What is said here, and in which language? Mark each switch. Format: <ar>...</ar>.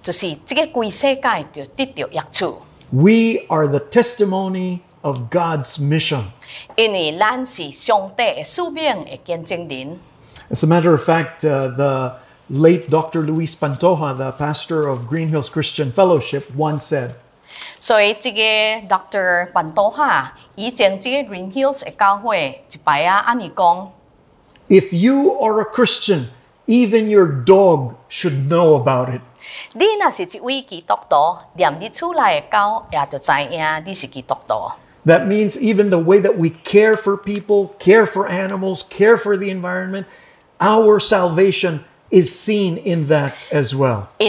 <nan>所以咱真做基督徒，就是这个全世界就得到益处。</nan> <en>We are the testimony of God's mission.</en> <nan>因为咱是上帝的使命的见证人。</nan> <en>As a matter of fact, the late Dr. Luis Pantoja, the pastor of Green Hills Christian Fellowship, once said,</en> <nan>所以这个 Dr. Pantoja, 以前这个 Green Hills 的教会一摆啊，安尼讲，</nan> <en>If you are a Christian, even your dog should know about it.</en> <nan>你若是一位基督徒，连你厝内的狗也着知影你是基督徒。</nan> <en>That means even the way that we care for people, care for animals, care for the environment, our salvation is seen in that as well.</en>